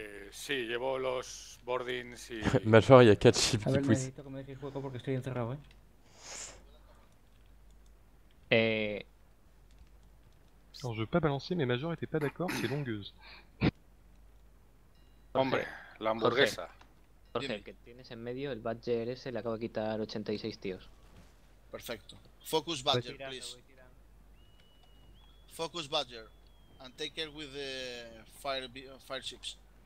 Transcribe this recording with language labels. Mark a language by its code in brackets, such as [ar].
[es] Si, llevo los boardings y. [fr] Major, y'a 4 ships qui poussent. Alors, je veux pas balancer, mais Major était pas d'accord, c'est longueuse. [es] Hombre, la hamburguesa. Jorge, el que tienes en medio, el Badger ese le acaba de quitar 86 tíos. Perfecto. [en] Focus Badger, please. Focus Badger and take care with the fire ships.